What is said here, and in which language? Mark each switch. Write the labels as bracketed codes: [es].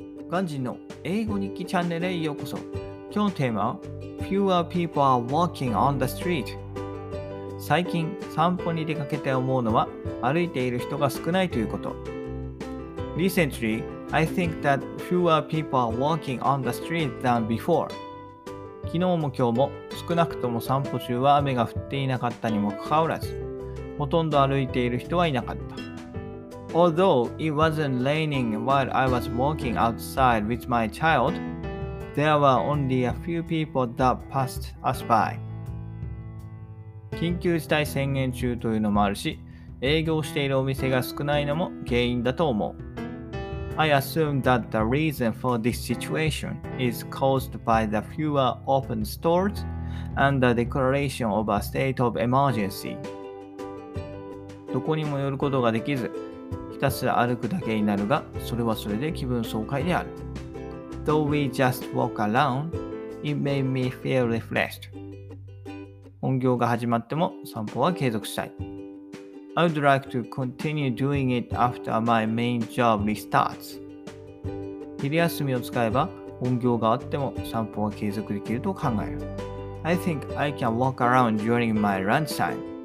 [ja] ガンジンの英語日記チャンネルへようこそ。今日のテーマは [en] Fewer people are walking on the street。 [ja] 最近散歩に出かけて思うのは歩いている人が少ないということ。 [en] Recently, I think that fewer people are walking on the street than before。 [ja] 昨日も今日も少なくとも散歩中は雨が降っていなかったにもかかわらず、ほとんど歩いている人はいなかった。 [en] Although it wasn't raining while I was walking outside with my child, there were only a few people that passed us by. [ja] 緊急事態宣言中というのもあるし、営業しているお店が少ないのも原因だと思う。 [en] I assume that the reason for this situation is caused by the fewer open stores and the declaration of a state of emergency. [ja] どこにも寄ることができず、ひたすら歩くだけになるが、それはそれで気分爽快である。 [en] Though we just walk around, it made me feel refreshed. [ja] 本業が始まっても散歩は継続したい。 [en] I would like to continue doing it after my main job restarts. [ja] 昼休みを使えば本業があっても散歩は継続できると考える。 [en] I think I can walk around during my lunch time.